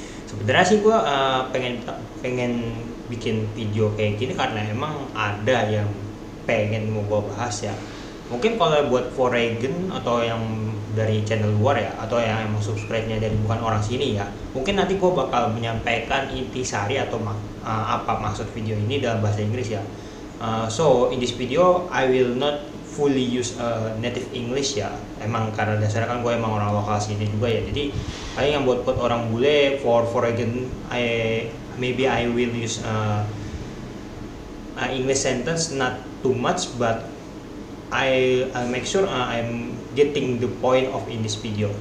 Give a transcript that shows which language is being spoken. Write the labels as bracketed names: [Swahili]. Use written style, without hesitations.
[Indonesian] Sebenarnya sih gue pengen pengen bikin video kayak gini karena emang ada yang pengen mau gue bahas ya. Mungkin kalau buat foreign atau yang dari channel luar ya, atau yang emang subscribe-nya dari bukan orang sini ya, mungkin nanti gue bakal menyampaikan intisari atau apa maksud video ini dalam bahasa Inggris ya. [English] So in this video I will not fully use native English ya. [Indonesian] Emang karena dasarnya kan gue emang orang lokal sini juga ya. Jadi kayak yang buat orang bule [English] for again I will use English sentence not too much, but I make sure I'm getting the point of in this video.